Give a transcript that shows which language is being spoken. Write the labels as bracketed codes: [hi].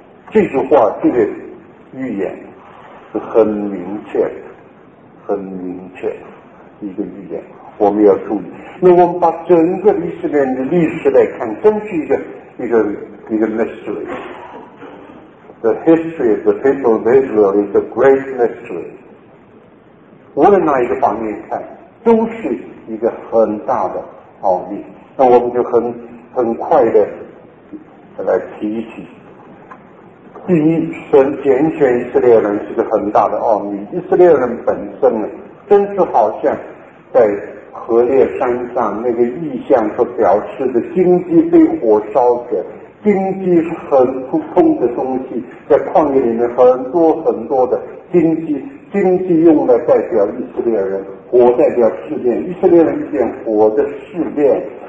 [zh] 这句话，这个预言是很明确的，很明确的一个预言，我们要注意。那我们把整个以色列的历史来看，真是一个 mystery。 [en] The history of the people of Israel is a great mystery。 [zh] 无论哪一个方面看，都是一个很大的奥秘。那我们就很快的来提一提。第一，神拣选以色列人是个很大的奥秘。以色列人本身呢，真是好像在何烈山上那个意象所表示的，荆棘被火烧着，荆棘是很普通的东西，在旷野里面很多很多的荆棘，荆棘用来代表以色列人，火代表试炼，以色列人一点火的试炼，